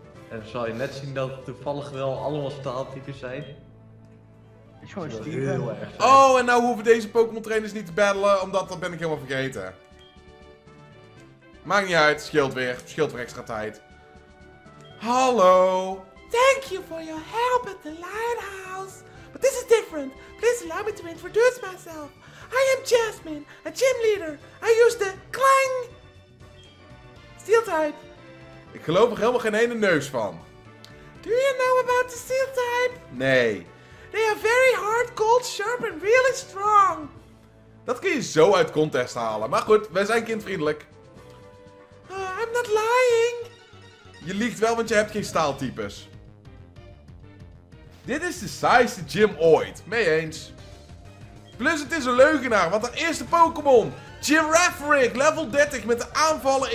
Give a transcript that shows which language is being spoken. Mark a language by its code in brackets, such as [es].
[nl] En zal je net zien dat het toevallig wel allemaal Staal-types zijn. Heel erg. Oh, en nou hoeven deze Pokémon trainers niet te battelen, omdat dat ben ik helemaal vergeten. Maakt niet uit, scheelt weer extra tijd. Hallo. [en] Thank you for your help at the lighthouse. But this is different. Please allow me to introduce myself. I am Jasmine, a gym leader. I use the Clang Steel type. [nl] Ik geloof er helemaal geen ene neus van. [en] Do you know about the Steel type? [nl] Nee. [en] They are very hard, cold, sharp and really strong. [nl] Dat kun je zo uit contest halen. Maar goed, wij zijn kindvriendelijk. [en] I'm not lying. [nl] Je liegt wel, want je hebt geen staaltypes. Dit is de saaiste gym ooit. Mee eens. Plus het is een leugenaar, want de eerste Pokémon. Gyarathric, level 30 met de aanvallen.